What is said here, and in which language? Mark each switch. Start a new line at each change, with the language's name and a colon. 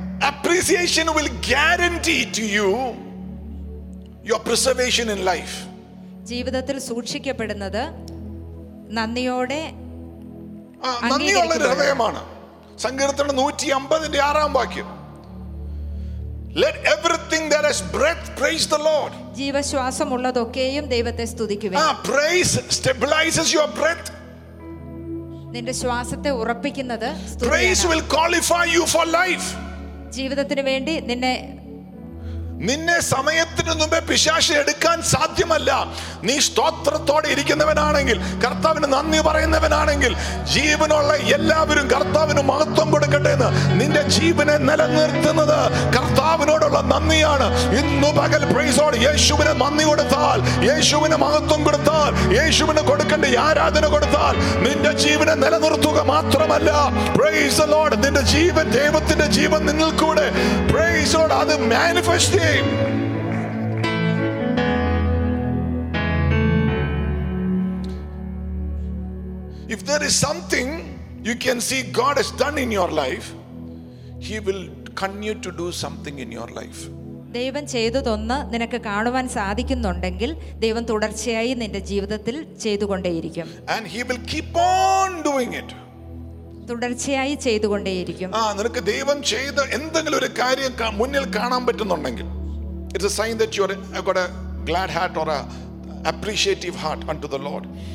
English: Appreciation will guarantee to you your preservation in life.
Malayalam: ജീവിതത്തിൽ സൂക്ഷിക്കപ്പെടുന്നത് നന്ദിയോടെ നന്ദിയുള്ള ഹൃദയമാണ്. സങ്കീർത്തനം 150:6.
English: Let everything that has breath praise the Lord.
Malayalam: ജീവശ്വാസം ഉള്ളതൊക്കെയും ദൈവത്തെ സ്തുതിക്കുവിൻ.
English: Ah, praise stabilizes your breath.
Malayalam: നിന്റെ ശ്വാസത്തെ ഉറപ്പിക്കുന്നത്
English: praise will qualify you for life.
Malayalam: ജീവിതത്തിനു വേണ്ടി നിന്നെ സമയത്തിനു മുമ്പേ പിശാച് എടുക്കാൻ സാധ്യമല്ല. നീ സ്തോത്രത്തോടെ ഇരിക്കുന്നവനാണെങ്കിൽ, കർത്താവിന് നന്ദി പറയുന്നവനാണെങ്കിൽ, ജീവനുള്ള എല്ലാവരും കർത്താവിന് മഹത്വം കൊടുക്കട്ടെ എന്ന് നിന്റെ ജീവനെ നിലനിർത്തുന്നത് കർത്താവിനോടുള്ള നന്ദിയാണ്. ഇന്നു പകൽ പ്രൈസോട് യേശുവിന് നന്ദി കൊടുത്താൽ, യേശുവിന് മഹത്വം കൊടുത്താൽ, യേശുവിന് കൊടുക്കേണ്ട ആരാധന കൊടുത്താൽ, നിന്റെ ജീവനെ നിലനിർത്തുക മാത്രമല്ല, പ്രൈസ് ദി ലോർഡ്, നിന്റെ ജീവൻ ദൈവത്തിന്റെ ജീവൻ നിന്നിൽ കൂടെ പ്രൈസോട് അത് manifest.
English: If there is something you can see God has done in your life, he will continue to do something in your life.
Malayalam: ദൈവം ചെയ്തതൊന്ന് നിനക്ക് കാണുവാൻ സാധിക്കുന്നുണ്ടെങ്കിൽ ദൈവം തുടർച്ചയായി നിന്റെ ജീവിതത്തിൽ ചെയ്തുകൊണ്ടേയിരിക്കും.
English: And he will keep on doing it.
Malayalam: തുടർച്ചയായി ചെയ്തുകൊണ്ടേയിരിക്കും. ആ നിനക്ക് ദൈവം ചെയ്ത എന്തെങ്കിലും ഒരു കാര്യം മുന്നിൽ കാണാൻ പറ്റുന്നുണ്ടെങ്കിൽ,
English: It's a sign that you have got a glad heart or a appreciative heart unto the lord.